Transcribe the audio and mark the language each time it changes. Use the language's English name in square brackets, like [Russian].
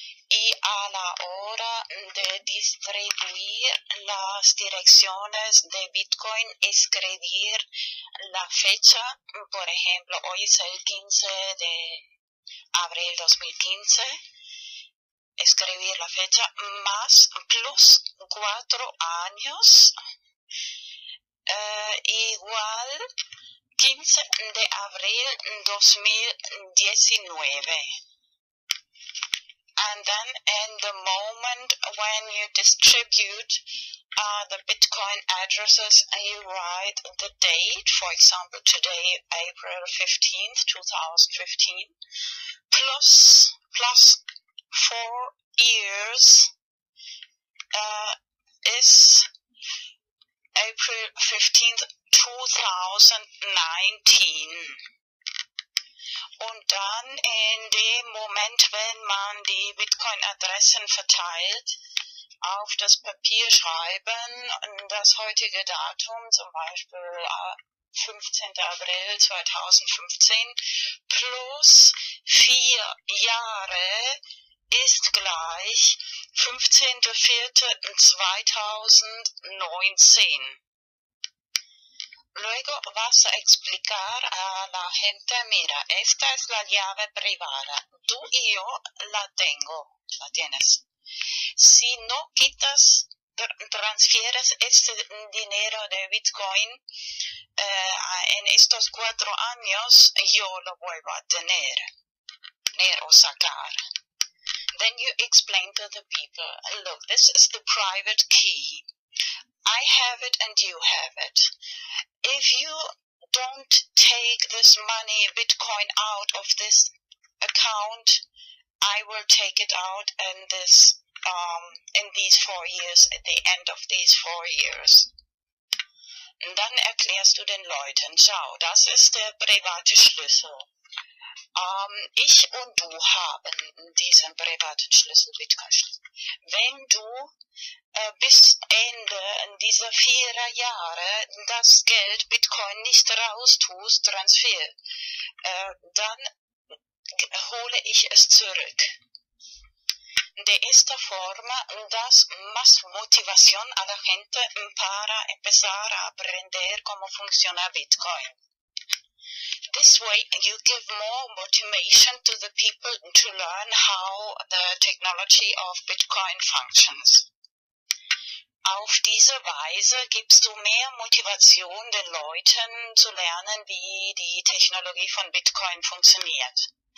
[Spanish] Y a la hora de distribuir las direcciones de Bitcoin, escribir la fecha, por ejemplo, hoy es el 15 de abril 2015, escribir la fecha más plus 4 años igual 15 de abril 2019. [English] And then in the moment when you distribute the Bitcoin addresses, you write the date, for example, today, April 15th, 2015, plus 4 years is April 15th, 2019. [German] Und dann in dem Moment, wenn man die Bitcoin-Adressen verteilt, auf das Papier schreiben, das heutige Datum, zum Beispiel 15. April 2015, plus 4 Jahre, ist gleich 15.04.2019. [Spanish] Luego vas a explicar a la gente, mira, esta es la llave privada. Tú y yo la tengo, la tienes. Si no quitas, transfieres este dinero de Bitcoin en estos 4 años, yo lo vuelvo a tener. Tener o sacar. [English] Then you explain to the people, look, this is the private key. I have it and you have it. If you don't take this money, Bitcoin, out of this account, I will take it out in this, in these 4 years, at the end of these 4 years. [German] Und dann erklärst du den Leuten, schau, das ist der private Schlüssel. Ich und du haben diesen privaten Schlüssel, Bitcoin-Schlüssel. Wenn du bis Ende dieser 4 Jahre das Geld Bitcoin nicht raus tust, Transfer, dann hole ich es zurück. [Spanish] De esta forma das más motivación a la gente para empezar a aprender cómo funciona Bitcoin. [English] This way, you give more motivation to the people to learn how the technology of Bitcoin functions. [German] Auf diese Weise gibst du mehr Motivation den Leuten zu lernen, wie die Technologie von Bitcoin funktioniert.